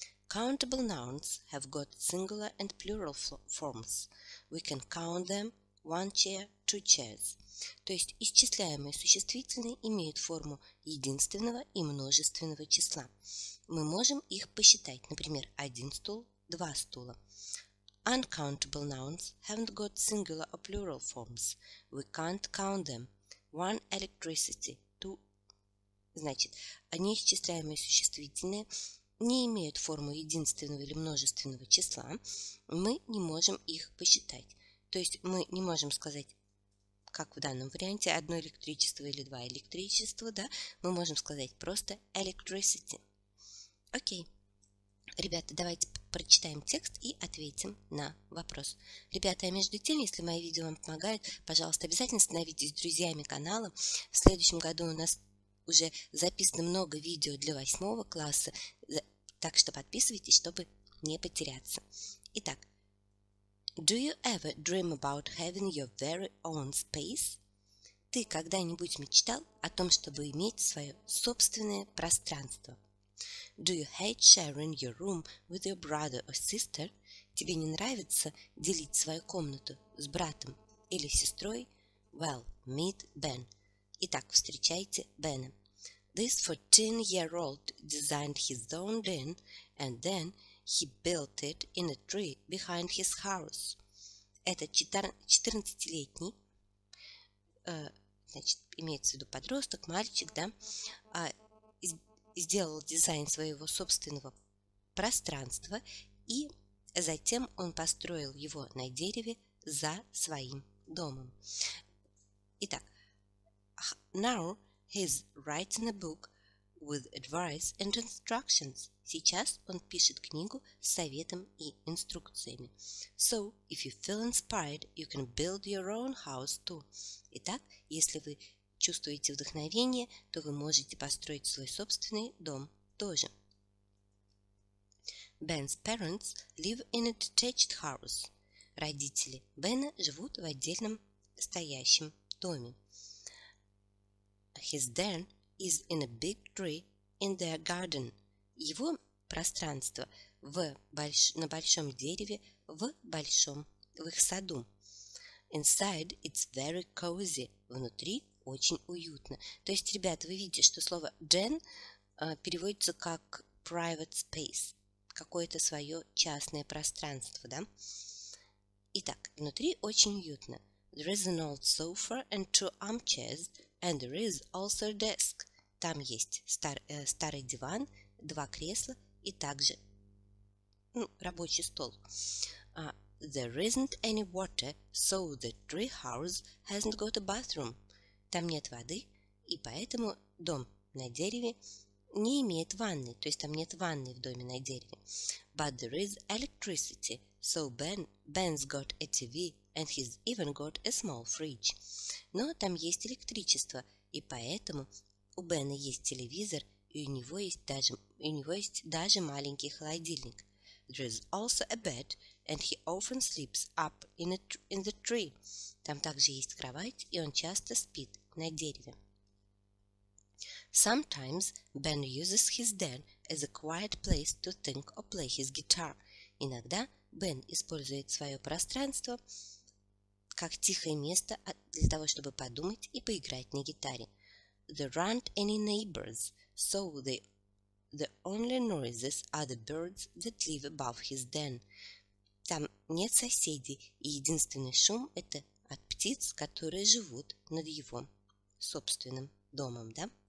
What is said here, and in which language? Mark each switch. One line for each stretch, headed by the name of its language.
English: Countable nouns have got singular and plural forms. We can count them one chair, two chairs.
Russian: То есть исчисляемые существительные имеют форму единственного и множественного числа. Мы можем их посчитать, например, один стул, два стула.
English: Uncountable nouns haven't got singular or plural forms. We can't count them. One electricity, two.
Russian: Значит, они исчисляемые существительные не имеют форму единственного или множественного числа, мы не можем их посчитать. То есть мы не можем сказать, как в данном варианте, одно электричество или два электричества, да? Мы можем сказать просто electricity. Окей. Ребята, давайте прочитаем текст и ответим на вопрос. Ребята, а между тем, если мои видео вам помогают, пожалуйста, обязательно становитесь друзьями канала. В следующем году у нас уже записано много видео для 8 класса, так что подписывайтесь, чтобы не потеряться.
English: Итак, do you ever dream about having your very own space?
Russian: Ты когда-нибудь мечтал о том, чтобы иметь свое собственное пространство?
English: Do you hate sharing your room with your brother or sister?
Russian: Тебе не нравится делить свою комнату с братом или сестрой?
English: Well, meet Ben.
Russian: Итак, встречайте Бена.
English: This 14-year-old designed his own den, and then he built it in a tree behind his house.
Russian: Этот 14-летний, значит, имеется в виду подросток, мальчик, да, сделал дизайн своего собственного пространства, и затем он построил его на дереве за своим домом.
English: Итак, now he's writing a book with advice and instructions.
Russian: Сейчас он пишет книгу с советом и инструкциями.
English: So, if you feel inspired, you can build your own house too.
Russian: Итак, если вы чувствуете вдохновение, то вы можете построить свой собственный дом тоже.
English: Ben's parents live in a detached house.
Russian: Родители Бена живут в отдельном стоящем доме.
English: His den is in a big tree in their garden.
Russian: Его пространство на большом дереве в их саду.
English: Inside it's very cozy.
Russian: Внутри очень уютно. То есть, ребята, вы видите, что слово den переводится как
English: private space.
Russian: Какое-то свое частное пространство, да? Итак, внутри очень уютно.
English: There is an old sofa and two armchairs. And there is also a desk.
Russian: Там есть старый диван, два кресла и также рабочий стол.
English: There isn't any water, so the treehouse hasn't got a bathroom.
Russian: Там нет воды, и поэтому дом на дереве не имеет ванны. То есть там нет ванны в доме на дереве.
English: But there is electricity, so Ben's got a TV. And he's even got a small fridge.
Russian: Но там есть электричество, и поэтому у Бена есть телевизор, и у него есть даже маленький холодильник.
English: There is also a bed, and he often sleeps up in the tree.
Russian: Там также есть кровать, и он часто спит на дереве.
English: Sometimes Ben uses his den as a quiet place to think or play his guitar.
Russian: Иногда Бен использует свое пространство как тихое место для того, чтобы подумать и поиграть на гитаре.
English: There aren't any neighbors, so the only noises are the birds that live above his den.
Russian: Там нет соседей, и единственный шум – это от птиц, которые живут над его собственным домом, да?